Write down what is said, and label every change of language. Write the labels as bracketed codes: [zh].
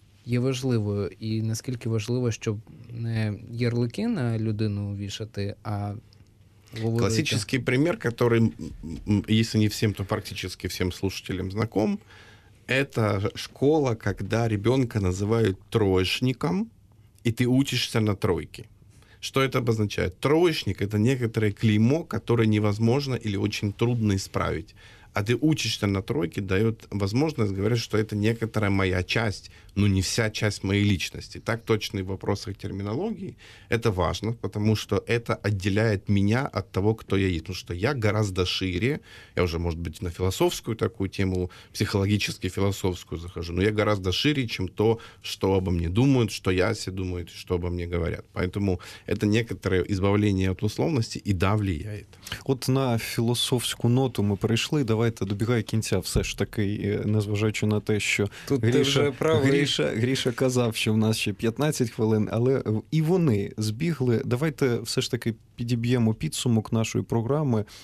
[uk] є важливою, і наскільки важливо, щоб не ярлики на людину вішати, а говорити. Класичний приклад, який, якщо не всім, то практично всім слухачам знаком, це школа, коли дитину називають троєчником, і ти учишся на тройки. [ru] Что это обозначает? Троечник – это некоторое клеймо, которое невозможно или очень трудно исправить. А ты учишься на тройке, дает возможность говорить, что это некоторая моя часть, но не вся часть моей личности. Так точно и в вопросах терминологии. Это важно, потому что это отделяет меня от того, кто я есть. Потому что я гораздо шире, я уже, может быть, на философскую такую тему, психологически-философскую захожу, но я гораздо шире, чем то, что обо мне думают, что я о себе думаю, что обо мне говорят. Поэтому это некоторое избавление от условности и да, влияет. Вот на философскую ноту мы пришли, давайте [uk] добігає кінця, все ж таки, незважаючи на те, що тут Гріша казав, що в нас ще 15 хвилин, але і вони збігли. Давайте все ж таки підіб'ємо підсумок нашої програми.